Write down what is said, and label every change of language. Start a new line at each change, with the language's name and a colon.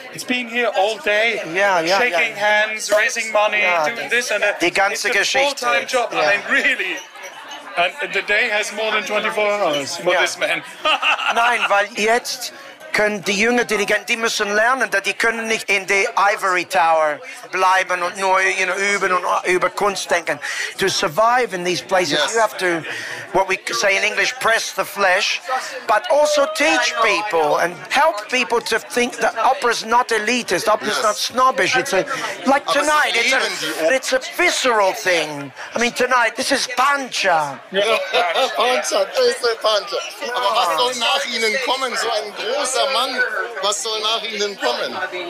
English: It's being here all day, shaking hands, raising money, doing this and that.
German: Die ganze
English: it's
German: Geschichte.
English: A full-time job, I mean, really. And the day has more than 24 hours for this man.
German: Nein, weil jetzt können die jungen Dirigenten, die müssen lernen, dass die können nicht in der Ivory Tower bleiben und nur,
English: you know,
German: üben und über Kunst denken.
English: To survive in these places, you have to, what we say in English, press the flesh, but also teach people and help people to think that opera's not elitist, opera's not snobbish. It's a, like tonight, it's a visceral thing. I mean, tonight, this is Pancha.
German: Pancha, das ist der Pancha. Aber was soll nach Ihnen kommen, so ein großer Mann, was soll nach Ihnen kommen?